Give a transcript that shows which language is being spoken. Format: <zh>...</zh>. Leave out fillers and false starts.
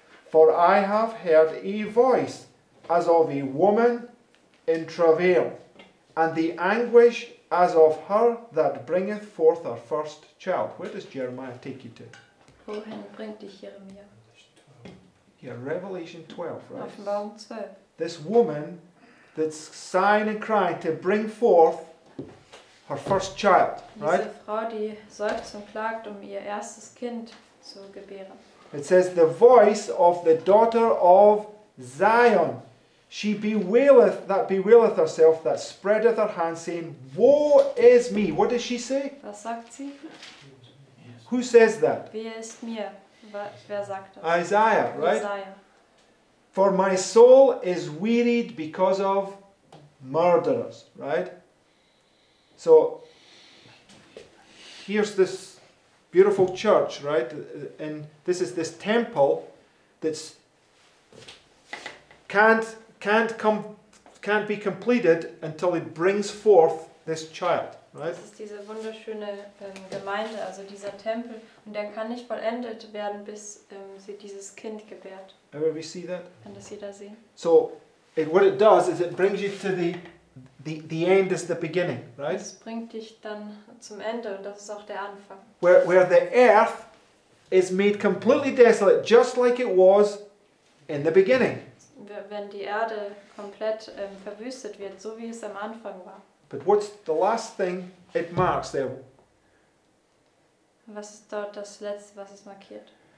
<en>For I have heard a voice as of a woman in travail, and the anguish as of her that bringeth forth her first child. Where does Jeremiah take you to?</en> <de>Wohin bringt dich Jeremia?</de> <en>Yeah, Revelation 12, right?</en> <de>Offenbarung 12.</de> <en>This woman that's sighing and crying to bring forth her first child, right?</en> <de>Diese Frau, die seufzt und klagt, um ihr erstes Kind zu gebären.</de> <en>It says, the voice of the daughter of Zion. She bewaileth herself, that spreadeth her hands, saying, woe is me. What does she say?</en> <de>Was sagt sie?</de> <en>Who says that?</en> <de>Wehe ist mir. Wer sagt das?</de> <en>Isaiah, right? Isaiah. For my soul is wearied because of murderers, right? So, here's this beautiful church, right? And this is this temple that's can't be completed until it brings forth this child, right?</en> <de>Das ist diese wunderschöne Gemeinde, also dieser Tempel, und der kann nicht vollendet werden, bis sie dieses Kind gebärt.</de> <en>Ever we see that?</en> <de>Kann das jeder sehen?</de> <en>So, what it does is it brings you to the end is the beginning, right?</en> <de>Es bringt dich dann zum Ende, und das ist auch der Anfang.</de> <en>Where the earth is made completely desolate, just like it was in the beginning.</en> <de>Wenn die Erde komplett verwüstet wird, so wie es am Anfang war.</de> <en>But what's the last thing it marks there?</en> <de>Was ist dort das Letzte, was es markiert?</de>